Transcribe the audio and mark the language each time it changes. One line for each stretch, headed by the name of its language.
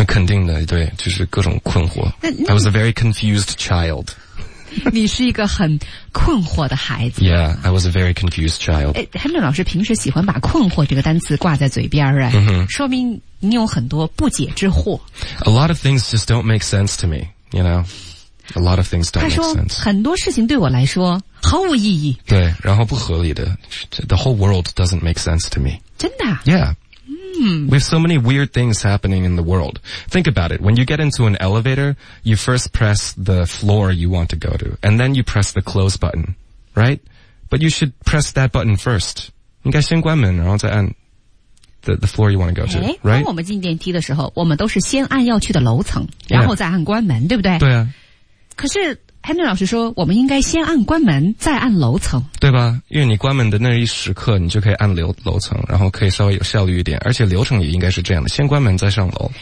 Chinese: 肯定的，对，就是各种困惑。
English: I was a very confused child。
Chinese: 你是一个很困惑的孩子。
English: Yeah, I was a very confused child。
Chinese: 哎 ，Henry 老师平时喜欢把"困惑"这个单词挂在嘴边儿，哎，说明你有很多不解之惑。
English: A lot of things just don't make sense to me, you know. A lot of things don't make sense.
Chinese: 他说很多事情对我来说毫无意义。对，然后不合理的。
English: The whole world doesn't make sense to me.
Chinese: 真的？
English: Yeah. We have so many weird things happening in the world. Think about it. When you get into an elevator, you first press the floor you want to go to, and then you press the close button, right? But you should press that button first.
Chinese: 应该先关门，然后再按。
English: The floor you want to go to, right?
Chinese: 当我们进电梯的时候，我们都是先按要去的楼层，然后再按关门，对不对？对啊。可是 Henry 老师说我们应该先按关门再按楼层，对吧？因为你关门的那一时刻你就可以按楼层，然后可以稍微有效率一点，而且流程也应该是这样的，先关门再上楼。